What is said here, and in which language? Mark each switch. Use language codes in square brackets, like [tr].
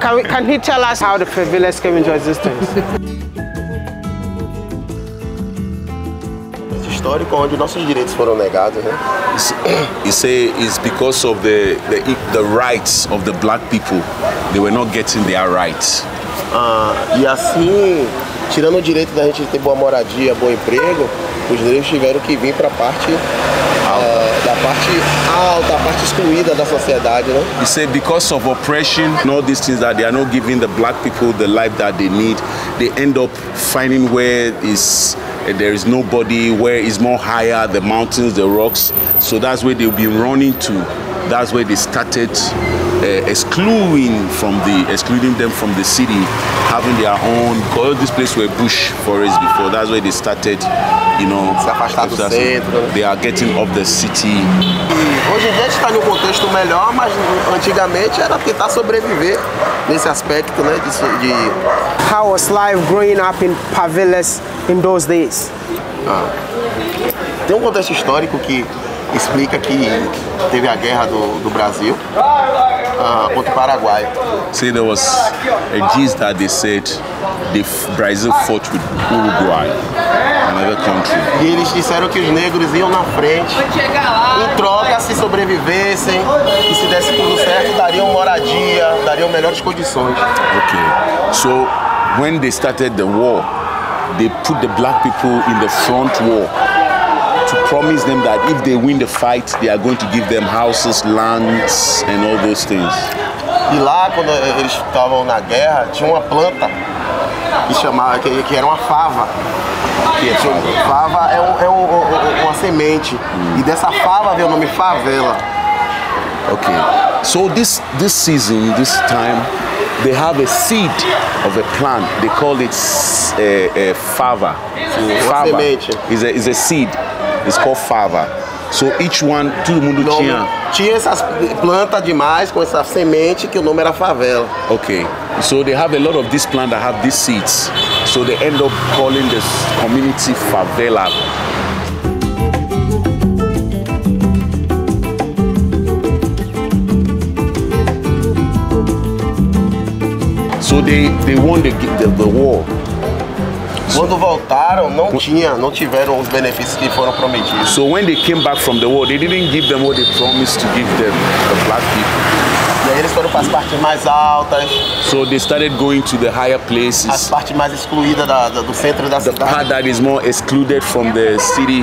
[en] Can he tell us how the privilege came into existence? It's historic, [pt] onde nossos direitos foram negados, né? [en] You say it's because of the rights of the black people. They were not getting their rights. [pt] E assim, tirando o direito da gente de ter boa moradia, bom emprego, os negros tiveram que vir para a parte da parte alta, a parte excluída da sociedade, né? [en] He said because of oppression, all these things that they are not giving the black people the life that they need, they end up finding where is there is nobody, where is more higher, the mountains, the rocks. So that's where they've been running to. That's where they started excluding them from the city, having their own, because this place were bush forest before. That's where they started, you know, they are getting off the city. [pt] Hoje em dia a gente está em um contexto melhor, mas antigamente era tentar sobreviver nesse aspecto, né? De [en] how was life growing up in Pavilés in those days? [pt] Tem um contexto histórico que explica que teve a guerra do Brasil contra o Paraguai. [en] See, there was a gist that they said the Brazil fought with Uruguay, another country. [pt] E eles disseram que os negros iam na frente em troca se sobrevivessem e se desse tudo certo, dariam moradia, dariam melhores condições. [en] Okay, so when they started the war, they put the black people in the front war to promise them that if they win the fight, they are going to give them houses, lands, and all those things. [pt] E lá, quando eles estavam na guerra, tinha uma planta que chamava, que era uma fava. Que tinha, fava é uma semente. E dessa fava veio o nome favela. [en] Okay. So this season, this time, they have a seed of a plant. They call it fava. [pt] Fava. Uma semente. [en] Is a seed. It's called fava. So each one, [pt] todo mundo nome, tinha. Tinha essas plantas demais com essa semente que o nome era favela. [en] Okay. So they have a lot of this plant that have these seeds. So they end up calling this community favela. So they won the war. [pt] Quando voltaram, não tiveram os benefícios que foram prometidos. [en] So when they came back from the war, they didn't give them what they promised to give them, the black people. [pt] E aí eles foram para as partes mais altas. [en] So they started going to the higher places. [pt] As partes mais excluídas do centro da cidade. [en] The part that is more excluded from the city.